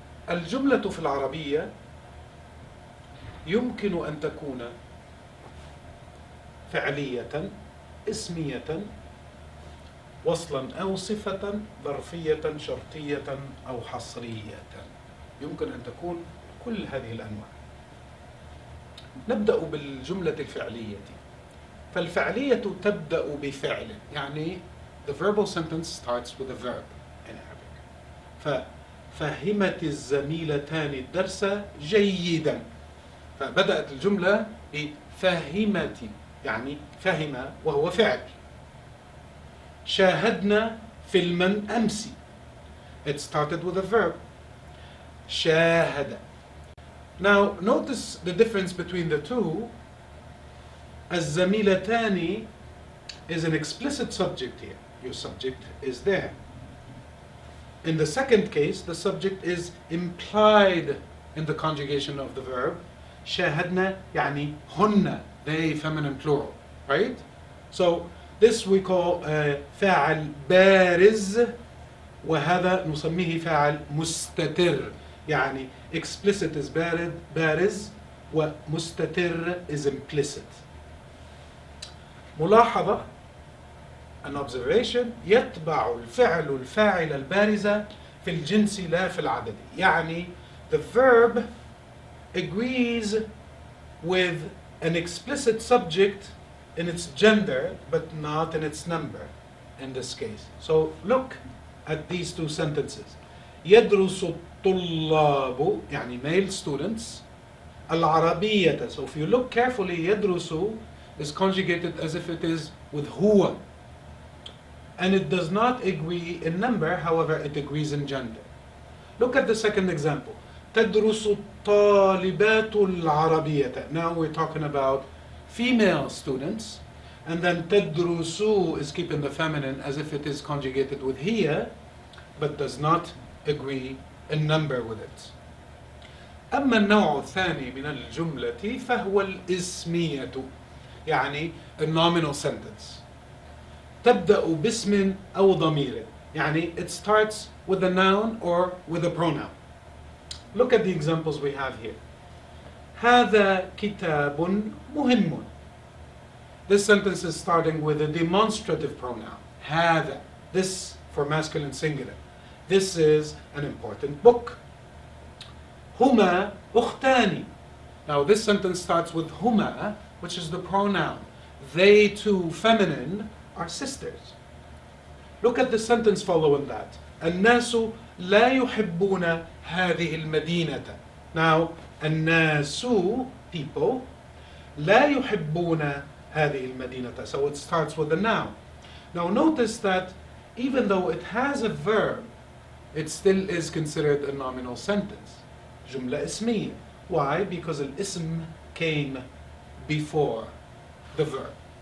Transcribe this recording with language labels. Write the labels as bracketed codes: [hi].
[ar] الجملة في العربية يمكن أن تكون فعلية، اسمية، وصلا أو صفة، ظرفية، شرطية أو حصرية. يمكن أن تكون كل هذه الأنواع. نبدأ بالجملة الفعلية. فالفعلية تبدأ بفعل، يعني [en] the verbal sentence starts with a verb in Arabic. [ar] ففهمت الزميلتان الدرس جيدا. فبدأت الجملة بفهمت، يعني فهم وهو فعل. شاهدنا فيلما أمس. [en] It started with a verb. شاهد. Now notice the difference between the two. الزميلتان is an explicit subject here. Your subject is there. In the second case, the subject is implied in the conjugation of the verb. [ar] شاهدنا يعني هن. [en] They feminine plural, right? So this we call [ar] فاعل بارز، وهذا نسميه فاعل مستتر. [en] يعني explicit is بارز ومستتر is implicit. [ar] ملاحظة، [en] an observation، [ar] يتبع الفعل الفاعل البارز في الجنس لا في العدد. [en] يعني the verb agrees with an explicit subject in its gender but not in its number in this case. So look at these two sentences. [ar] يدرس الطلاب، يعني [en] male students، [ar] العربية. [en] So if you look carefully, يدرس is conjugated as if it is with هو. And it does not agree in number, however it agrees in gender. Look at the second example. [ar] تدرس الطالبات العربية. [en] Now we're talking about female students. And then تدرس is keeping the feminine as if it is conjugated with هي, but does not agree in number with it. [ar] أما النوع الثاني من الجملة فهو الإسمية، يعني [en] a nominal sentence. [ar] تبدأ باسم أو ضمير، يعني [en] it starts with a noun or with a pronoun. Look at the examples we have here. [ar] هذا كتاب مهم. [en] This sentence is starting with a demonstrative pronoun. هذا. This for masculine singular. This is an important book. [ar] هما أختاني. [en] Now this sentence starts with هما, which is the pronoun. They two feminine are sisters. Look at the sentence following that. [ar] الناس لا يحبون هذه المدينة. Now الناس people لا يحبون هذه المدينة. [en] So it starts with a noun. Now notice that even though it has a verb, it still is considered a nominal sentence. [ar] جملة اسمية. [en] Why? Because الاسم came before the verb.